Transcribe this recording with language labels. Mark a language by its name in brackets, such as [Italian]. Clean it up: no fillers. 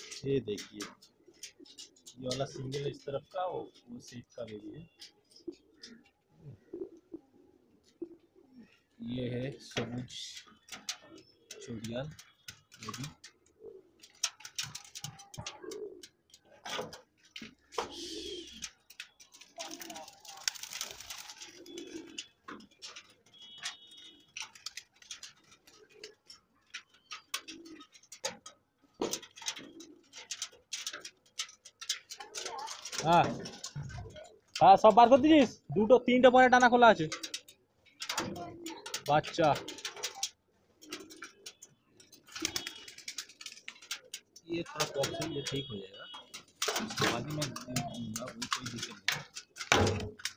[Hindi] ये देखिए, ये वाला सिंगल इस तरफ का, वो सेट का बेबी है। ये है सबुज चोटियाल बेबी, [Bangla] হ্যাঁ সব বার করে দিছিস, দুটো তিনটে পরে টানা খোলা আছে বাচ্চা। [Hindi] ये तो बॉक्स है, ये ठीक हो जाएगा, उसके बाद ही मैं दे दूंगा, वो कोई दिक्कत नहीं है।